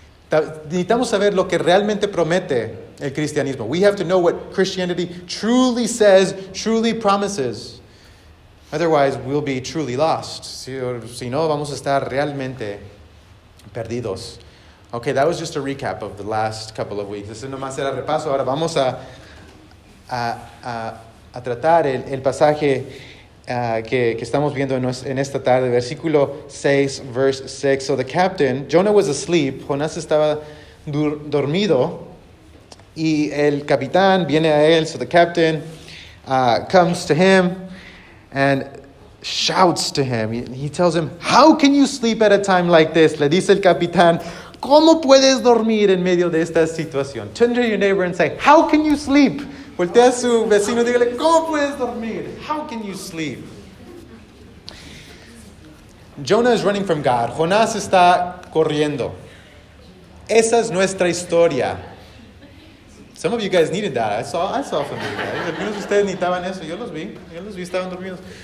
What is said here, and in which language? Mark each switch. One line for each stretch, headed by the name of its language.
Spanish: Necesitamos saber lo que realmente promete el cristianismo.
English: We have to know what Christianity truly says, truly promises. Otherwise, we'll be truly lost.
Spanish: Si no, vamos a estar realmente perdidos.
English: Okay, that was just a recap of the last couple of weeks.
Spanish: Eso nomás era repaso. Ahora vamos a tratar el pasaje que estamos viendo en esta tarde. Versículo 6, verse 6.
English: So the captain, Jonah was asleep.
Spanish: Jonás estaba dormido. Y el capitán viene a él.
English: So the captain comes to him. And shouts to him. He tells him, how can you sleep at a time like this?
Spanish: Le dice el capitán, ¿cómo puedes dormir en medio de esta situación?
English: Turn to your neighbor and say, how can you sleep?
Spanish: Voltea a su vecino y dígale, ¿cómo puedes dormir?
English: How can you sleep? Jonah is running from God.
Spanish: Jonás está corriendo. Esa es nuestra historia.
English: Some of you guys needed that. I saw some of you guys.
Spanish: Algunos de ustedes necesitaban eso. Yo los vi. Estaban durmiendo.